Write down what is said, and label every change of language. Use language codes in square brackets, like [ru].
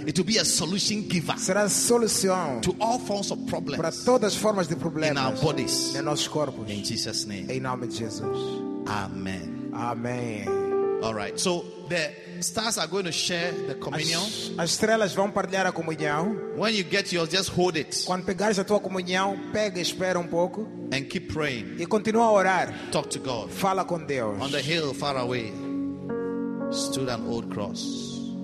[en] It will be a solution giver. [pt] Será solução [en] to all forms of problems. [pt] Para todas as formas de problemas. [en] In our bodies. [pt] Em nossos corpos. [en] In Jesus' name. [pt] Em nome de Jesus. [en] Amen. Amen. All right. So the stars are going to share the communion. [pt] As estrelas vão partilhar a comunhão. [en] When you get yours, just hold it. [pt] Quando pegares a tua comunhão, pega e espera pouco. [en] And keep praying. [pt] E continua a orar. [en] Talk to God. [pt] Fala com Deus. [en] On the hill far away stood an old cross.